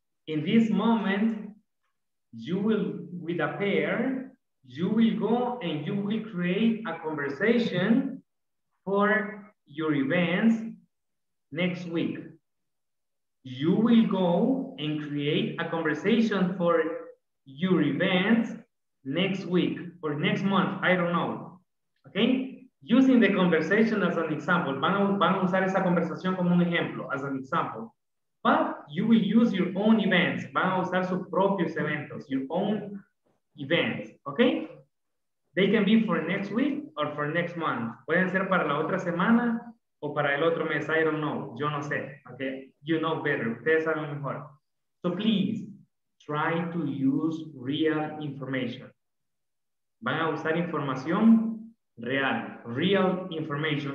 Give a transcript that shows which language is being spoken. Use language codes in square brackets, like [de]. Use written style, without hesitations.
[en] In this moment, you will, with a pair, you will go and you will create a conversation for your events next week. You will go and create a conversation for your events next week or next month. I don't know. Okay? Using the conversation as an example. [es] Van a usar esa conversación como un ejemplo, [en] as an example. But you will use your own events. [es] Van a usar sus propios eventos, [en] your own events, ¿ok? They can be for next week or for next month. [es] Pueden ser para la otra semana o para el otro mes. [en] I don't know. [es] Yo no sé, [en] ¿ok? You know better. [es] Ustedes saben mejor. [en] So please, try to use real information. [es] Van a usar información real. [en] Real information.